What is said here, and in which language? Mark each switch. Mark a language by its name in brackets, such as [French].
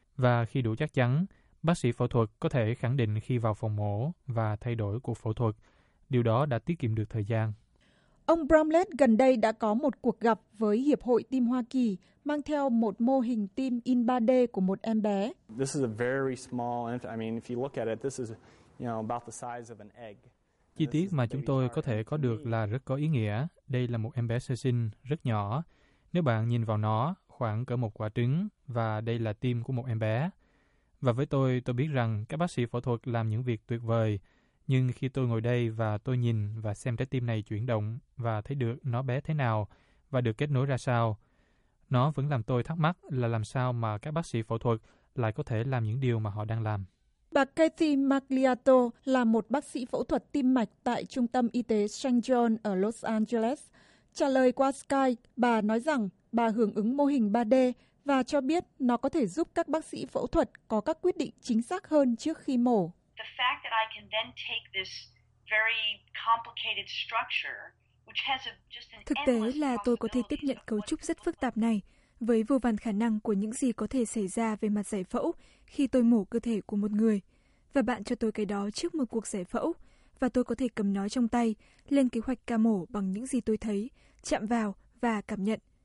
[Vietnamese] Và khi đủ chắc chắn, bác sĩ phẫu thuật có thể khẳng định khi vào phòng mổ và thay đổi cuộc phẫu thuật. Điều đó đã tiết kiệm được thời gian. Ông Bramlett gần đây đã có một cuộc gặp với Hiệp hội Tim Hoa Kỳ mang theo một mô hình tim in 3D của một em bé. [English] This is a very small, I mean, if you look at it, this is, you know, about the size of an egg. [Vietnamese] Chi tiết mà chúng tôi có thể có được là rất có ý nghĩa. Đây là một em bé sơ sinh, rất nhỏ. Nếu bạn nhìn vào nó, khoảng cỡ một quả trứng, và đây là tim của một em bé. Và với tôi biết rằng các bác sĩ phẫu thuật làm những việc tuyệt vời. Nhưng khi tôi ngồi đây và tôi nhìn và xem trái tim này chuyển động và thấy được nó bé thế nào và được kết nối ra sao, nó vẫn làm tôi thắc mắc là làm sao mà các bác sĩ phẫu thuật lại có thể làm những điều mà họ đang làm. Bà Kathy Magliato là một bác sĩ phẫu thuật tim mạch tại Trung tâm Y tế St. John ở Los Angeles. Trả lời qua Skype, bà nói rằng bà hưởng ứng mô hình 3D và cho biết nó có thể giúp các bác sĩ phẫu thuật có các quyết định chính xác hơn trước khi mổ. [English] The fact that I can then take this very complicated structure, which has [Vietnamese] thực tế là tôi có thể tiếp nhận cấu trúc rất phức tạp này, với vô vàn khả năng của những gì có thể xảy ra về mặt giải phẫu khi tôi mổ cơ thể của một người. Và bạn cho tôi cái đó trước một cuộc giải phẫu, và tôi có thể cầm nó trong tay, lên kế hoạch ca mổ bằng những gì tôi thấy, chạm vào và cảm nhận.